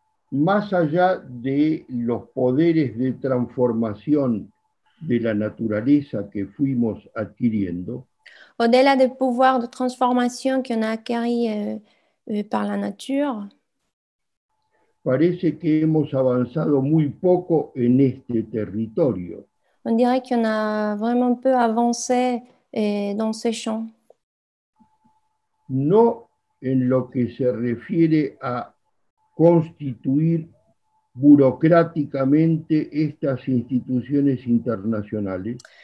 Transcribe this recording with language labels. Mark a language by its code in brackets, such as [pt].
[es] Más allá de los poderes de transformación de la naturaleza que fuimos adquiriendo, [fr] au-delà des pouvoirs de transformation qu'on a acquis par la nature, [es] parece que hemos avanzado muy poco en este territorio. [fr] On dirait qu'on a vraiment peu avancé dans ce champ. [es] No en lo que se refiere a constituir burocráticamente estas instituciones internacionales.